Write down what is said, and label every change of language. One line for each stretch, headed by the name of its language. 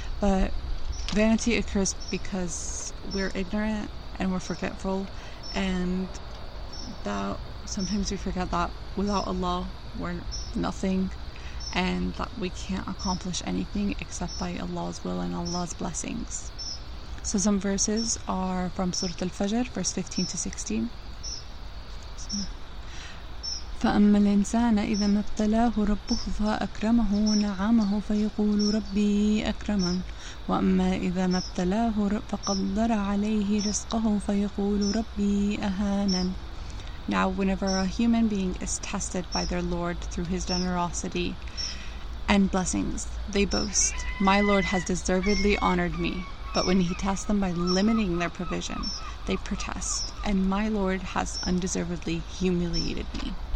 English: But vanity occurs because we're ignorant and we're forgetful, and that sometimes we forget that without Allah we're nothing, and that we can't accomplish anything except by Allah's will and Allah's blessings. So some verses are from Surah Al-Fajr, verse 15 to 16.
Arabic: فأما الإنسان إذا ما ابتلاه ربه فأكرمه ونعمه فيقول ربي أكرمن وأما إذا ما ابتلاه فقدر عليه رزقه فيقول ربي أهانن.
English: Now whenever a human being is tested by their Lord through his generosity and blessings, they boast, "My Lord has deservedly honored me." But when he tests them by limiting their provision, they protest, "And my Lord has undeservedly humiliated me."